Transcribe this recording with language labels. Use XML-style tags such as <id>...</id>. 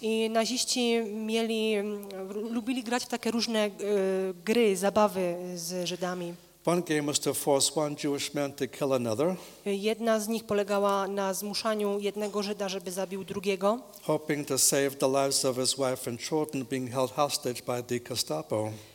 <pl>I naziści mieli, lubili grać w takie różne gry, zabawy z Żydami.</pl> <en>One game was to force one Jewish man to kill another.</en> <pl>Jedna z nich polegała na zmuszaniu jednego Żyda, żeby zabił drugiego.</pl> <en>Hoping to save the lives of his wife and children being held hostage by the Gestapo.</en>